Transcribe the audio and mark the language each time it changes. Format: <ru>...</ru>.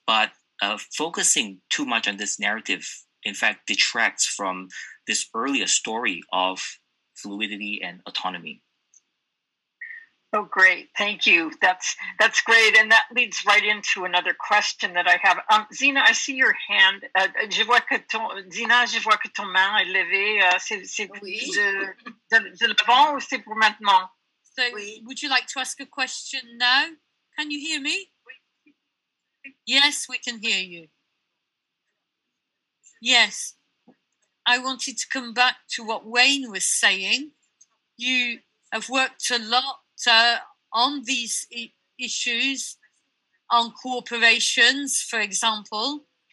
<en>But focusing too much on this narrative, in fact, detracts from this earlier story of fluidity and autonomy. Oh, great. Thank you. That's great. And that leads right into another question that I have. Zina, I see your hand.</en> <fr>Je vois que ton main est levée. C'est oui. de l'avant ou c'est pour maintenant?</fr> <en>So oui. Would you like to ask a question now? Can you hear me? Yes, we can hear you. Yes. I wanted to come back to what Wayne was saying. You have worked a lot on these issues, on corporations, for example.</en>